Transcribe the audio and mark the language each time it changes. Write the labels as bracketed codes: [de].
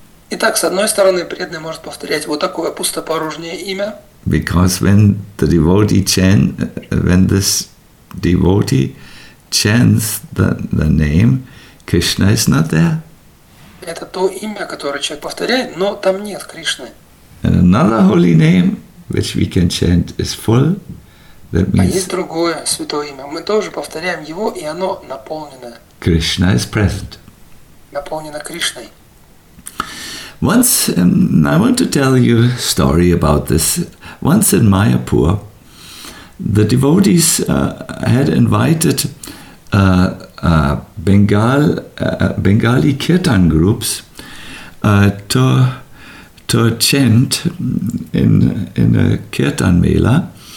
[ru] Итак, с одной стороны, преданный может повторять вот такое пустопорожнее имя. [en] Because when the devotee chants the name, Krishna is not there. [ru] Это то имя, которое человек повторяет, но там нет Кришны. [en] Another holy name, which we can chant, is full. That means. [ru] А есть другое святое имя. Мы тоже повторяем его, и оно наполнено. [en] Krishna is present. [ru] Наполнено Кришной. [en] Once, I want to tell you a story about this. Once in Mayapur, the devotees had invited Bengali kirtan groups to chant in a kirtan mela.